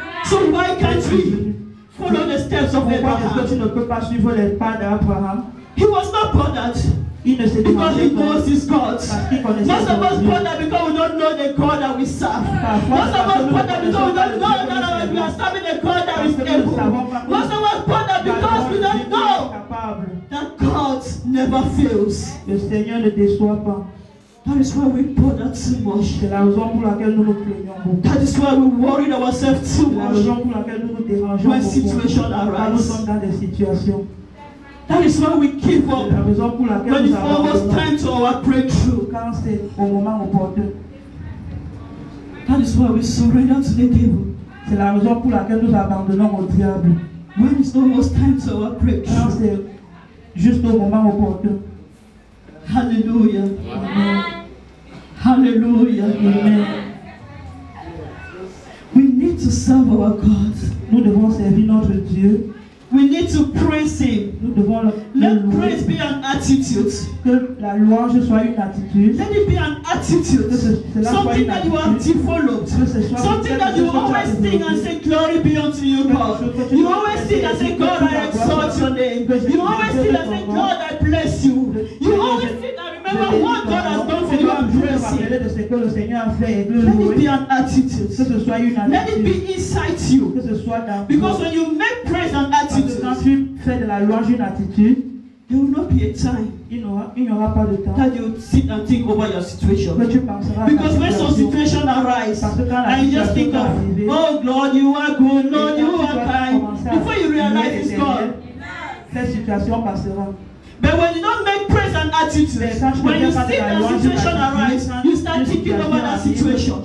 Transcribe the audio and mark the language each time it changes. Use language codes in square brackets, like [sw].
[en] So why can't we follow the steps of Abraham? [fr] Que tu ne peux pas suivre les pas d'Abraham? [en] He was not bothered. [fr] Il ne s'est [en] because he knows his God. Most of us bothered because we don't know the God that we serve. Most of us bothered because we don't know that we are serving the God that is able. Most of us bothered because we don't know that God never fails. [fr] Le Seigneur ne déçoit pas. [en] That is why we bother too much. [fr] C'est la raison pour laquelle nous nous plaignons beaucoup. [en] That is why we worry ourselves too much. [fr] C'est la raison pour laquelle nous nous dérangeons [en] when situation arises. [fr] Nous sommes dans des situations. [en] That is why we keep up. [fr] C'est la raison pour laquelle [en] when it's almost time to our breakthrough. [fr] Quand c'est au moment opportun. [en] That is why we surrender to the devil. [fr] C'est la raison pour laquelle nous abandonnons au diable. [en] When it's almost time to our breakthrough. [fr] Quand c'est juste au moment opportun. [en] Hallelujah. Amen. Hallelujah. Amen. We need to serve our God. [fr] Nous devons servir notre Dieu. [en] We need to praise Him. [fr] Nous devons [en] let praise be an attitude. [fr] Que la louange soit une attitude. [en] Let it be an attitude. [fr] Que ce, [en] something that you have developed. Something that you always sing and say, glory be unto you, God. You always sing and say, God, I exalt your name. You always sing and say, God, I bless you. You always sing and remember what God has done for you and praise Him. Let it be an attitude. [fr] Que ce soit une attitude. [en] Let it be inside you. [fr] Que ce soit dans [en] because God. When you make praise an attitude, [fr] quand tu fais de la louange une attitude, [en] there will not be a time [fr] il n'y aura pas de temps [en] that you sit and think over your situation. [fr] Que tu penseras [en] because when some situation arise, and you just think of, oh Lord, you are good, Lord, you are kind. Before you realize it's God, [fr] cette situation passera. [en] But when you don't make praise and attitude, when you see that situation arise, you start thinking over that situation.